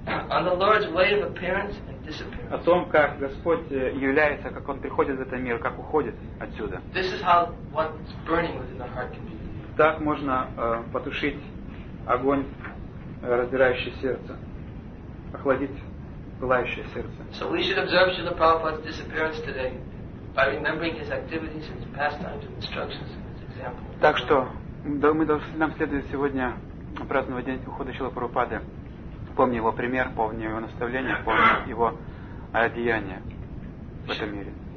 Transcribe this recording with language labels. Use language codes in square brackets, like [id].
[en] On the Lord's way of appearance and disappearance. [ru] О том, как Господь является, как Он приходит в этот мир, как уходит отсюда. [en] This is how what's burning within the heart can be. [ru] Так можно потушить огонь, раздирающий сердце, охладить пылающее сердце. [en] So we should observe Srila Prabhupada's disappearance today by remembering his activities and his pastimes and instructions and his example. [ru] Так что мы должны, нам следует сегодня праздновать день ухода Шрилы Прабхупады. Помни его пример, помни его наставление, помни его одеяние в этом мире.